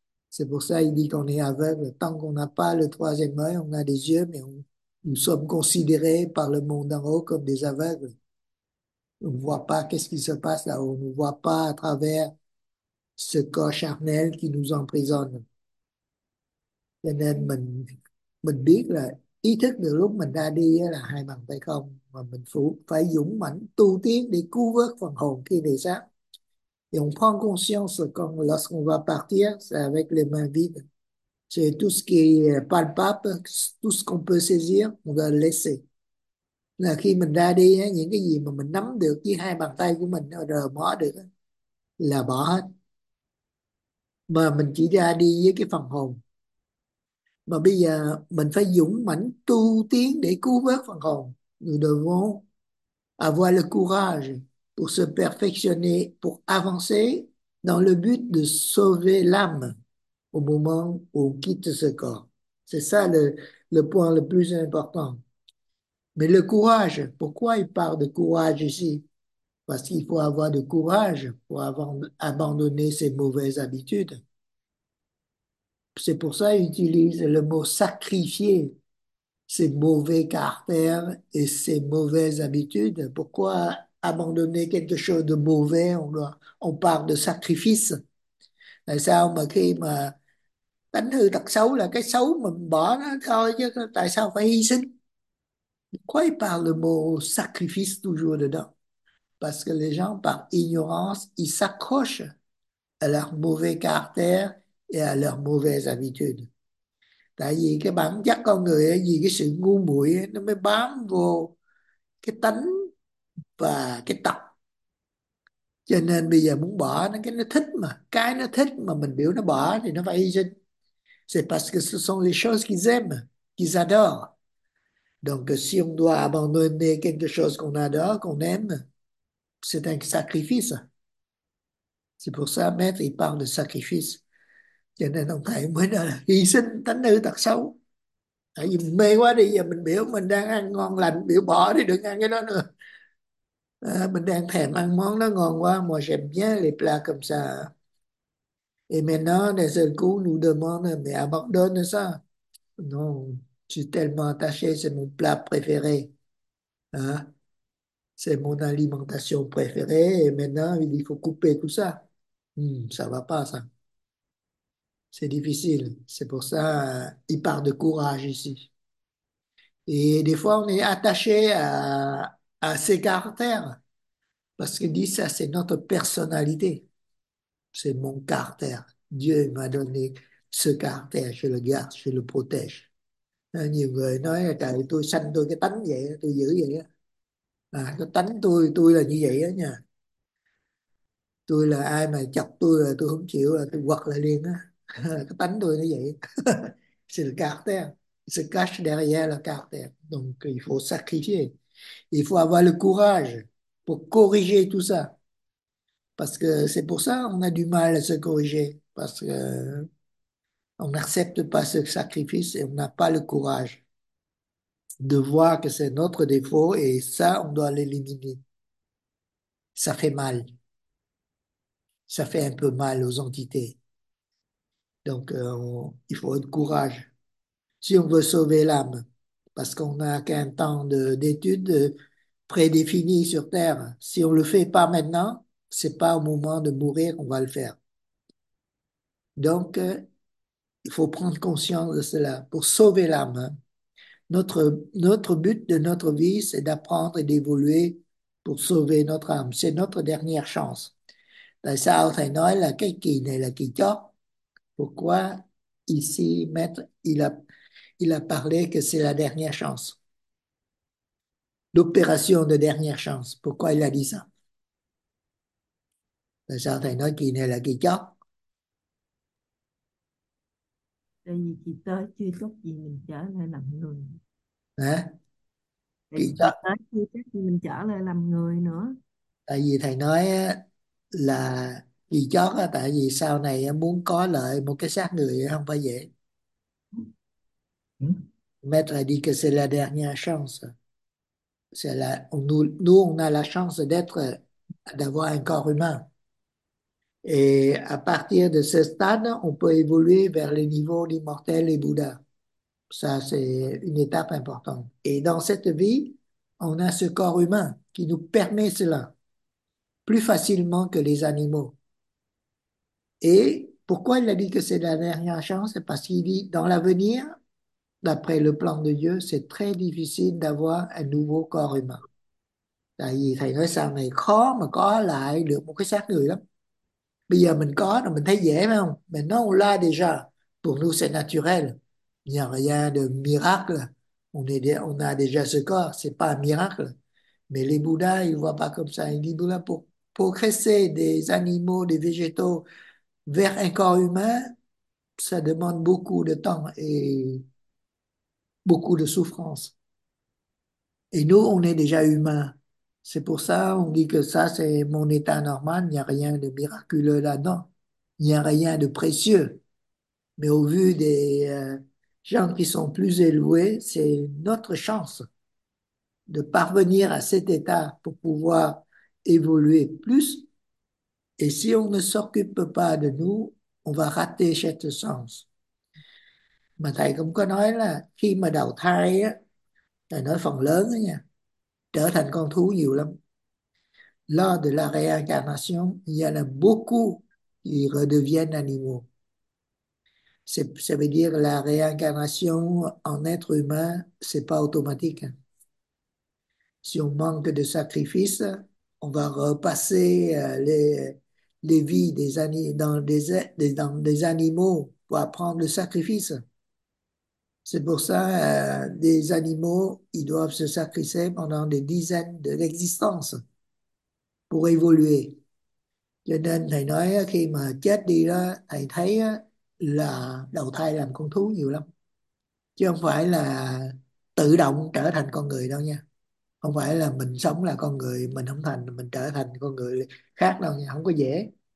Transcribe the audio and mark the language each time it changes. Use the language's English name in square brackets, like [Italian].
[French] C'est pour ça qu'il dit qu'on est aveugle. Tant qu'on n'a pas le troisième œil, on a des yeux, mais nous sommes considérés par le monde en haut comme des aveugles. On ne voit pas qu'est-ce qui se passe là-haut. On ne voit pas à travers ce corps charnel qui nous emprisonne. [Vietnamese] Cho nên mình biết là ý thức được lúc mình ra đi là hai bàn tay không, mà mình phải dũng mãnh tu tiến để cứu vớt phần hồn khi lìa xác. [French] Et on prend conscience quand lorsqu'on va partir, c'est avec les mains vides. C'est tout ce qui est palpable, tout ce qu'on peut saisir, on doit le laisser. [Vietnamese] Là khi mình ra đi, những cái gì mà mình nắm được với hai bàn tay của mình, rờ mó được, là bỏ hết. Mà mình chỉ ra đi với cái phần hồn. Mà bây giờ mình phải dũng mãnh tu tiến để cứu vớt phần hồn. [French] Nous devons avoir le courage pour se perfectionner, pour avancer dans le but de sauver l'âme au moment où on quitte ce corps. C'est ça le point le plus important. Mais le courage, pourquoi il parle de courage ici? Parce qu'il faut avoir du courage pour abandonner ses mauvaises habitudes. C'est pour ça qu'il utilise le mot sacrifier ses mauvais caractères et ses mauvaises habitudes. Pourquoi abandonner quelque chose de mauvais? On parle de sacrifice. [Vietnamese] Tại sao mà khi mà tánh hư tật xấu là cái xấu mình bỏ nó thôi, chứ tại sao phải hy sinh? [French] Pourquoi il parle le mot sacrifice toujours dedans? Parce que les gens, par ignorance, ils s'accrochent à leur mauvais caractère et à leurs mauvaises habitudes. [Vietnamese] Tại vì cái bản chất con người ấy, vì cái sự ngu muội ấy, nó mới bám vô cái tánh và cái tập. Cho nên bây giờ muốn bỏ nó, cái nó thích mà. Cái nó thích mà mình biểu nó bỏ thì nó phải hy sinh. [French] C'est parce que ce sont les choses qu'ils aiment, qu'ils adorent. Donc si on doit abandonner quelque chose qu'on adore, qu'on aime, c'est un sacrifice. C'est pour ça Maître, il parle de sacrifice. [Vietnamese] Cho nên ông thầy mới nói là hy sinh tánh hư tật xấu. Tại vì mê quá đi, giờ mình biểu mình đang ăn ngon lành, biểu bỏ đi đừng ăn cái đó nữa. À, mình đang thèm ăn món đó ngon quá. [French] Moi j'aime bien les plats comme ça. Et maintenant, d'un seul coup, nous demande, mais abandonne ça. Non, je suis tellement attaché, c'est mon plat préféré. Hein? C'est mon alimentation préférée. Et maintenant, il faut couper tout ça. Ça va pas, ça. C'est difficile. C'est pour ça, il parle de courage ici. Et des fois, on est attaché à ses caractères. Parce qu'il dit ça, c'est notre personnalité. C'est mon caractère. Dieu m'a donné ce caractère. Je le garde, je le protège. [Vietnamese] Nhiều người nói là trời, tôi sanh tôi cái tánh vậy, tôi giữ vậy á. À, cái tánh tôi là như vậy đó nha. Tôi là ai mà chọc tôi là tôi không chịu, là tôi quật lại liền á. Cái tánh tôi nó vậy. [French] C'est le caractère. Se cache derrière le caractère. Donc, il faut sacrifier. Il faut avoir le courage pour corriger tout ça. Parce que c'est pour ça qu'on a du mal à se corriger. Parce que on n'accepte pas ce sacrifice et on n'a pas le courage de voir que c'est notre défaut et ça, on doit l'éliminer. Ça fait mal. Ça fait un peu mal aux entités. Donc, il faut être courage si on veut sauver l'âme. Parce qu'on n'a qu'un temps d'études prédéfini sur Terre. Si on ne le fait pas maintenant, ce n'est pas au moment de mourir qu'on va le faire. Donc, il faut prendre conscience de cela pour sauver l'âme. Notre but de notre vie, c'est d'apprendre et d'évoluer pour sauver notre âme. C'est notre dernière chance. [Vietnamese] Tại sao thầy nói là cái kỳ này là kỳ chót? [French] Pourquoi ici, Maître, il a parlé que c'est la dernière chance. L'opération de dernière chance. Pourquoi il a dit ça? [Vietnamese] Tại sao thầy nói kỳ này là kỳ chót? Tại vì chị tới chưa chắc gì mình trở lại làm người. Hả? Tại Kỳ vì chót. chị tới chưa chắc gì mình trở lại làm người nữa. Tại vì thầy nói là kỳ chót, tại vì sau này muốn có lợi một cái xác người không phải dễ. [French] Maître a dit que c'est la dernière chance. Nous, on a la chance d'être, d'avoir un corps humain. Et à partir de ce stade, on peut évoluer vers les niveaux d'immortel et Bouddha. Ça, c'est une étape importante. Et dans cette vie, on a ce corps humain qui nous permet cela plus facilement que les animaux. Et pourquoi il a dit que c'est la dernière chance? C'est parce qu'il dit dans l'avenir, d'après le plan de Dieu, c'est très difficile d'avoir un nouveau corps humain. [Vietnamese] Tại vì thầy nói sao này khó mà có lại được một cái xác người lắm. Bây giờ mình có rồi mình thấy dễ phải không? [French] Mais non, là déjà. Pour nous, c'est naturel. Il n'y a rien de miracle. On a déjà ce corps. Ce n'est pas un miracle. Mais les Bouddhas, ils ne voient pas comme ça. Ils disent, Bouddha, pour progresser des animaux, des végétaux vers un corps humain, ça demande beaucoup de temps et beaucoup de souffrance. Et nous, on est déjà humain. C'est pour ça qu'on dit que ça, c'est mon état normal. Il n'y a rien de miraculeux là-dedans. Il n'y a rien de précieux. Mais au vu des gens qui sont plus éloignés, c'est notre chance de parvenir à cet état pour pouvoir évoluer plus. Et si on ne s'occupe pas de nous, on va rater cette chance. [Vietnamese] Mà thầy cũng có nói là khi mà đầu thai á, thầy nói phần lớn á nha, trở thành con thú nhiều lắm. [French] Lors de la réincarnation, il y en a beaucoup qui redeviennent animaux. Ça veut dire que la réincarnation en être humain, c'est pas automatique. Si on manque de sacrifices, on va repasser les vies dans des animaux pour apprendre le sacrifice. C'est pour ça, des animaux, ils doivent se sacrifier pendant des dizaines de l'existence pour évoluer. [Vietnamese] Cho nên thầy nói khi mà chết đi đó, thầy thấy là đầu thai làm con thú nhiều lắm. Chứ không phải là tự động trở thành con người đâu nha. Không phải là mình sống là con người, mình không thành, mình trở thành con người khác đâu nha. Không có dễ.